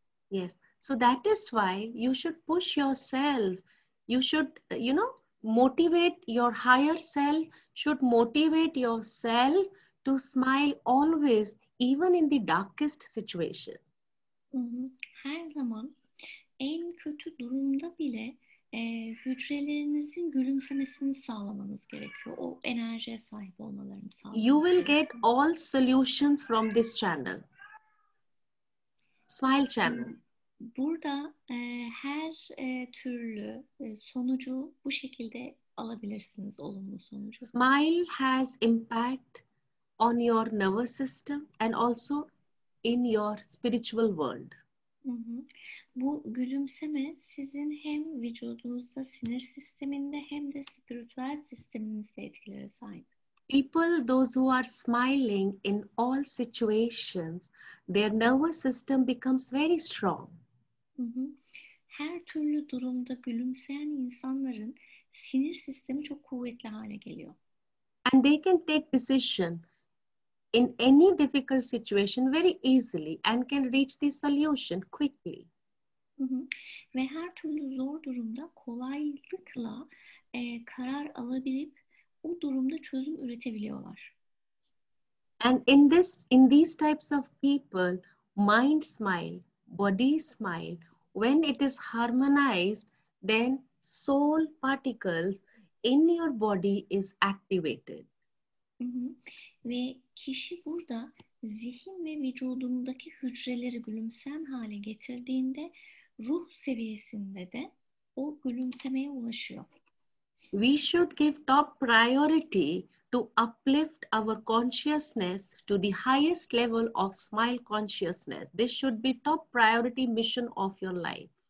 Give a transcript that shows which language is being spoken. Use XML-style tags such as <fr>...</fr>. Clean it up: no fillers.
<en>yes. So that is why you should push yourself. You should, motivate your higher self should motivate yourself to smile always, even in the darkest situation.</en> <tr>Her zaman en kötü durumda bile hücrelerinizin gülümsemesini sağlamanız gerekiyor. O enerjiye sahip olmalarını sağlamanız</tr> <en>You will get all solutions from this channel. Smile channel.</en> <tr>Burada her türlü sonucu bu şekilde alabilirsiniz, olumlu sonucu.</tr> <en>Smile has impact on your nervous system and also in your spiritual world.</en> <tr>Bu gülümseme sizin hem vücudunuzda, sinir sisteminde hem de spiritüel sisteminizde etkilere sahip.</tr> <en>People, those who are smiling in all situations, their nervous system becomes very strong.</en> <tr>Her türlü durumda gülümseyen insanların sinir sistemi çok kuvvetli hale geliyor.</tr> <en>And they can take decision in any difficult situation very easily and can reach the solution quickly.</en> <tr>Ve her türlü zor durumda kolaylıkla karar alabilip o durumda çözüm üretebiliyorlar.</tr> <en>And in these types of people, mind smile, body smile, when it is harmonized, then soul particles in your body is activated.</en> <tr>Ve kişi burada zihin ve vücudundaki hücreleri gülümseyen hale getirdiğinde ruh seviyesinde de o gülümsemeye ulaşıyor.</tr> <en>We should give top priority to uplift our consciousness to the highest level of smile consciousness. This should be top priority mission of your life.</en>